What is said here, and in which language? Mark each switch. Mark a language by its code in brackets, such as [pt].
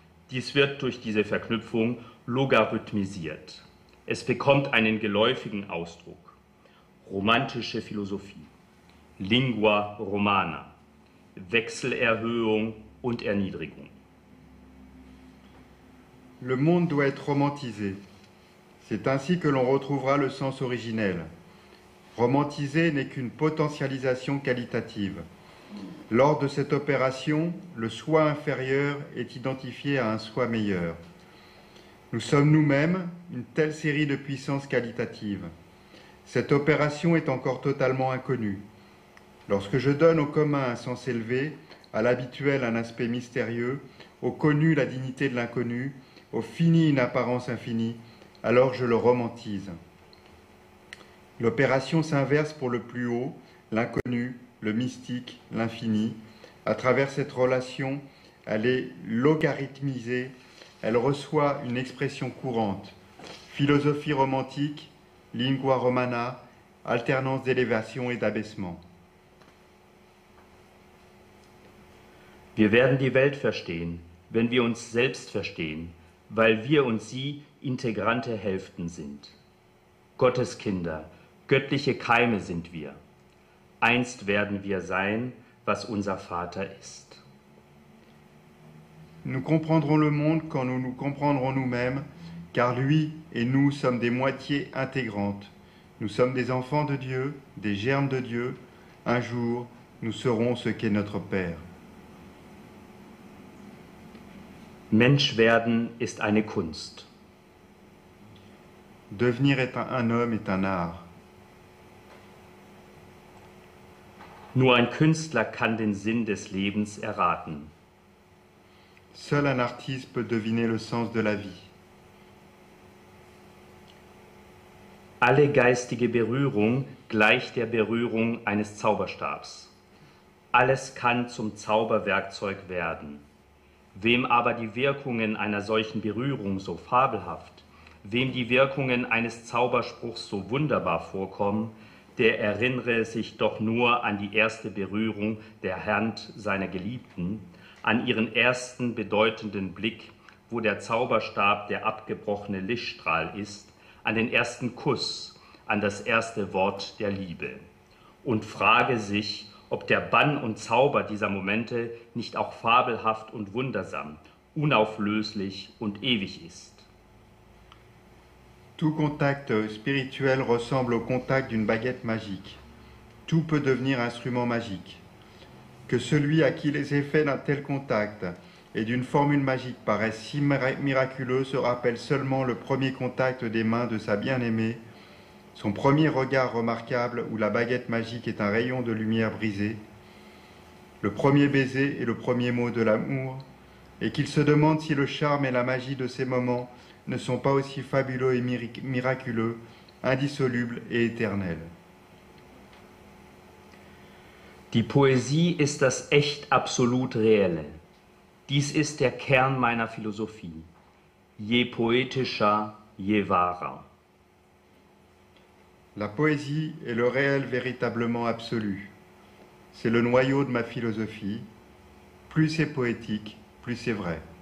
[de] Dies wird durch diese Verknüpfung logarithmisiert. Es bekommt einen geläufigen Ausdruck. Romantische Philosophie, Lingua Romana, Wechselerhöhung und Erniedrigung. [fr] Le monde doit être romantisé. C'est ainsi que l'on retrouvera le sens originel. Romantisé n'est qu'une potentialisation qualitative. Lors de cette opération, le soi inférieur est identifié à un soi meilleur. Nous sommes nous-mêmes une telle série de puissances qualitatives. Cette opération est encore totalement inconnue. Lorsque je donne au commun un sens élevé, à l'habituel un aspect mystérieux, au connu la dignité de l'inconnu, au fini une apparence infinie, alors je le romantise. L'opération s'inverse pour le plus haut, l'inconnu, le mystique, l'infini. À travers cette relation, elle est logarithmisée, elle reçoit une expression courante. Philosophie romantique, lingua romana, alternance d'élévation et d'abaissement. [de] Wir werden die Welt verstehen, wenn wir uns selbst verstehen. Weil wir und sie integrante Hälften sind. Gotteskinder, göttliche Keime sind wir. Einst werden wir sein, was unser Vater ist. [fr] Nous comprendrons le monde quand nous nous comprendrons nous-mêmes, car lui et nous sommes des moitiés intégrantes. Nous sommes des enfants de Dieu, des germes de Dieu. Un jour, nous serons ce qu'est notre Père. [de] Mensch werden ist eine Kunst. [fr] Devenir est un homme est un art. [de] Nur ein Künstler kann den Sinn des Lebens erraten. [fr] Seul un artiste peut deviner le sens de la vie. [de] Alle geistige Berührung gleicht der Berührung eines Zauberstabs. Alles kann zum Zauberwerkzeug werden. Wem aber die Wirkungen einer solchen Berührung so fabelhaft, wem die Wirkungen eines Zauberspruchs so wunderbar vorkommen, der erinnere sich doch nur an die erste Berührung der Hand seiner Geliebten, an ihren ersten bedeutenden Blick, wo der Zauberstab der abgebrochene Lichtstrahl ist, an den ersten Kuss, an das erste Wort der Liebe. und frage sich, ob der Bann und Zauber dieser Momente nicht auch fabelhaft und wundersam, unauflöslich und ewig ist. [fr] Tout contact spirituel ressemble au contact d'une baguette magique. Tout peut devenir instrument magique. Que celui à qui les effets d'un tel contact et d'une formule magique paraissent si miraculeux se rappelle seulement le premier contact des mains de sa bien-aimée, son premier regard remarquable où la baguette magique est un rayon de lumière brisé, le premier baiser et le premier mot de l'amour, et qu'il se demande si le charme et la magie de ces moments ne sont pas aussi fabuleux et miraculeux, indissolubles et éternels. [de] Die Poesie ist das echt absolut Reelle. Dies ist der Kern meiner Philosophie. Je poetischer, je wahrer. [fr] La poésie est le réel véritablement absolu. C'est le noyau de ma philosophie. Plus c'est poétique, plus c'est vrai.